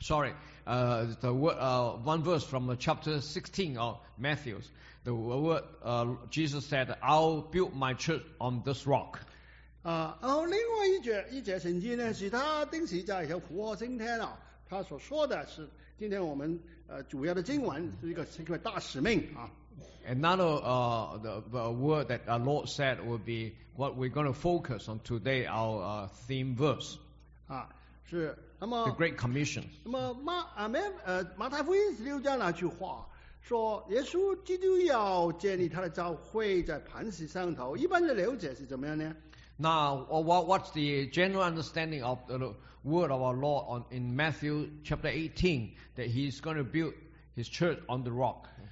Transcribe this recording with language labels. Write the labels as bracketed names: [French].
[English] Sorry, the word, one verse from chapter 16 of Matthew, the word Jesus said, "I'll build my church on this rock." [Chinese] 然后另外一节圣经呢，是他钉十字架以后复活升天了，他所说的是。今天我们主要的经文是一个大使命啊。 [English] Another the word that our Lord said would be what we're going to focus on today, our theme verse. 啊，是那么 The Great Commission. [Chinese] 那么马太福音16章那句话说，耶稣基督要建立他的教会在磐石上头，一般的了解是怎么样呢？ [English] Now, what's the general understanding of the word of our Lord in Matthew chapter 18 that he's going to build his church on the rock?